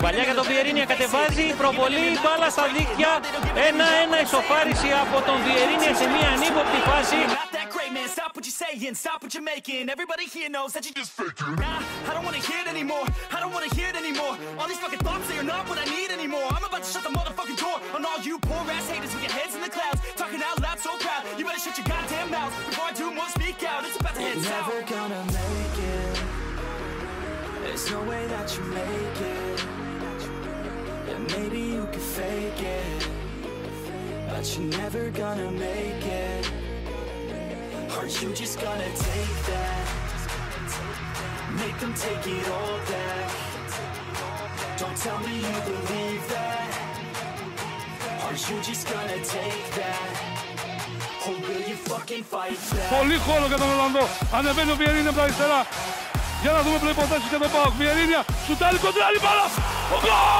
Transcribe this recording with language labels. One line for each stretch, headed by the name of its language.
Greek: Παλιά για τον Βιερίνια κατεβάζει, προβολή, μπάλα στα δίκτυα. 1-1 ισοφάριση από τον Βιερίνια σε μια ανύποπτη φάση.
English: Stop what you're saying, stop what you're making. Everybody here knows that you're just faking. Nah, I don't wanna hear it anymore. I don't wanna hear it anymore. All these fucking thoughts, they are not what I need anymore. I'm about to shut the motherfucking door on all you poor ass haters with your heads in the clouds. Talking out loud, so proud. You better shut your goddamn mouth before I do more speak out. It's about to head south. Never gonna make it. There's no way that you make it. Yeah, maybe you can fake it, but you're never gonna make it. Are you just gonna take that? Make them take it all back. Don't tell me you believe that. Are you just gonna take that? Or will you fucking fight back?
Greek: Πολύ χώρο για τον Ολλανδό. Ανεβαίνει ο Βιερίνια από τα αριστερά. Για να δούμε προϋποθέσεις για τον ΠΑΟΚ. Βιερίνια, σουτάρει κοντράρι μπάλα. Γκολ!